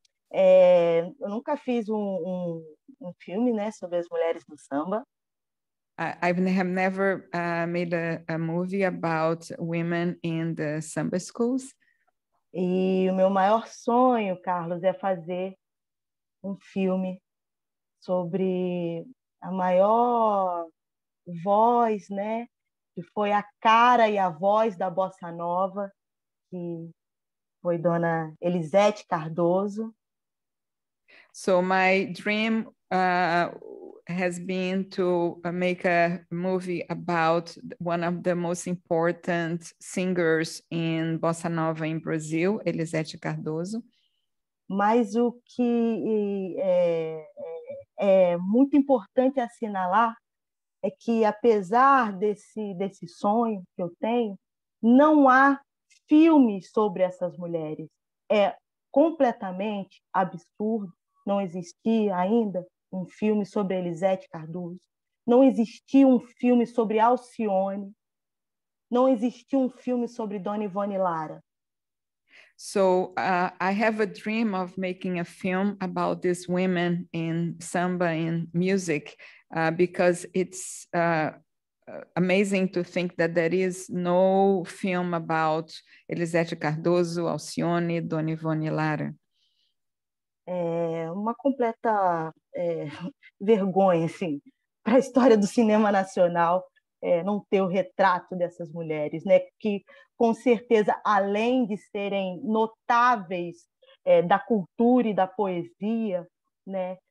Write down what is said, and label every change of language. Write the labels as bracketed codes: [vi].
[pt] Eu nunca fiz um filme, né, sobre as mulheres no samba. [en] I have never made a movie about women in the samba schools. [pt] E o meu maior sonho, Carlos, é fazer um filme sobre a maior voz, né, que foi a cara e a voz da bossa nova, que foi Dona Elisete Cardoso. [en] So my dream has been to make a movie about one of the most important singers in bossa nova in Brazil, Elisete Cardoso. [pt] Mas o que é muito importante assinalar é que, apesar desse sonho que eu tenho, não há filme sobre essas mulheres. É completamente absurdo não existir ainda um filme sobre Elisete Cardoso, não existia um filme sobre Alcione, não existia um filme sobre Dona Ivone Lara. [en] So I have a dream of making a film about these women in samba and music, because it's amazing to think that there is no film about Elisete Cardoso, Alcione, Dona Ivone Lara. [pt] É uma completa vergonha, assim, para a história do cinema nacional não ter o retrato dessas mulheres, né? Que, com certeza, além de serem notáveis da cultura e da poesia, né?